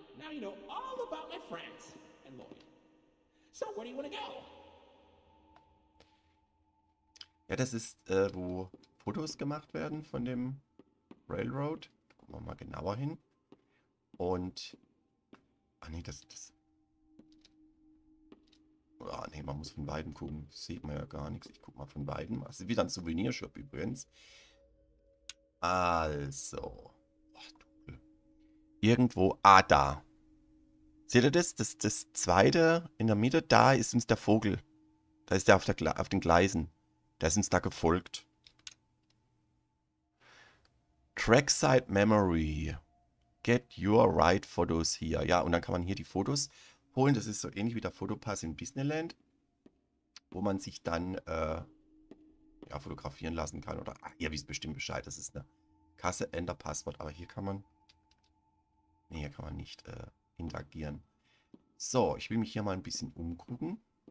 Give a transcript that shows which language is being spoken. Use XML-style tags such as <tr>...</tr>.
<en>Now you know all about my friends and Lloyd. So, where do you want to go?</en> <de>Ja, das ist, wo Fotos gemacht werden von dem Railroad. Gucken wir mal genauer hin. Und. Ah ne, das. Ah ne, man muss von beiden gucken. Das sieht man ja gar nichts. Ich guck mal von beiden. Das ist wieder ein Souvenirshop übrigens. Also. Ach, dunkel. Irgendwo. Ah, da. Seht ihr das? Das zweite in der Mitte. Da ist uns der Vogel. Da ist der auf den Gleisen. Der ist uns da gefolgt.</de> <en>Trackside Memory. Get your right photos here.</en> <de>Ja, und dann kann man hier die Fotos holen. Das ist so ähnlich wie der Fotopass in Disneyland, wo man sich dann ja, fotografieren lassen kann. Oder ach, ihr wisst bestimmt Bescheid. Das ist eine Kasse, Enter Passwort. Aber hier kann man. Nee, hier kann man nicht interagieren. So, ich will mich hier mal ein bisschen umgucken.</de>